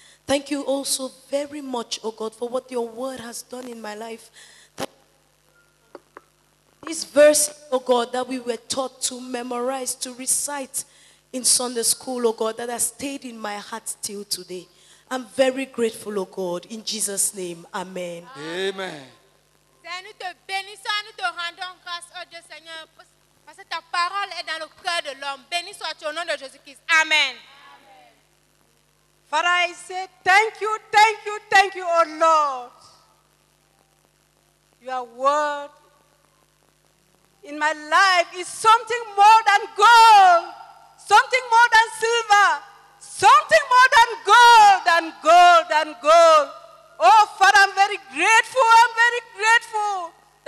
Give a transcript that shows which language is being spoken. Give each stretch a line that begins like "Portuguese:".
English: Thank you also very much, O God, for what your word has done in my life. This verse, O God, that we were taught to memorize, to recite in Sunday school, O God, that has stayed in my heart till today. I'm very grateful, oh God, in Jesus' name. Amen. Amen.
French: Seigneur, nous te bénissons et nous te rendons grâce, oh Dieu Seigneur, parce que ta parole est dans le cœur de l'homme. Béni sois-tu au nom de Jésus-Christ. Amen.
English: Father, I say thank you, thank you, thank you, oh Lord. Your word in my life is something more than gold, something more than silver. Something more than gold and gold and gold. Oh, Father, I'm very grateful. I'm very grateful